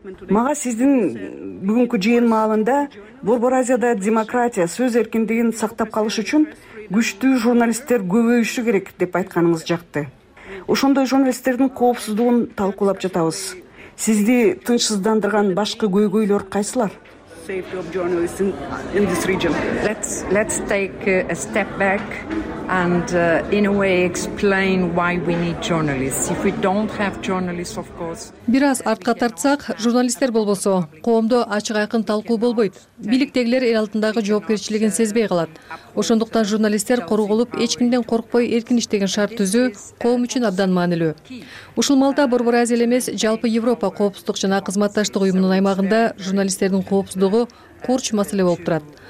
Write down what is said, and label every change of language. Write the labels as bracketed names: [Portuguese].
[Kyrgyz] Мага сиздин бүгүнкү жыйын маалында Борбор Азияда демократия, сөз эркиндигин сактап калыш үчүн күчтүү журналисттер көбөйүшү керек деп айтканыңыз жакты. Ошондой журналисттердин коопсуздугун талкуулап жатабыз. Сизди тынчсыздандырган башкы көйгөйлөр кайсылар? [English] Safety of journalists in this region. Let's take a step back and in a way explain why we need journalists. If we don't have journalists, of course. [Kyrgyz] Бир аз артка тартсак, журналисттер болбосо, коомдо ачык айкын талкуу болбойт. Бийликтегилер эл алдындагы жоопкерчилигин сезбей калат. Ошондуктан журналисттер корголуп, эч кимден коркпой эркин иштеген шарт түзүү коом үчүн абдан маанилүү. Ушул маалда Борбор Азия эмес, жалпы Европа коопсуздук жана кызматташтык уюмунун аймагында журналисттердин коопсуздугу курч маселе болуп турат.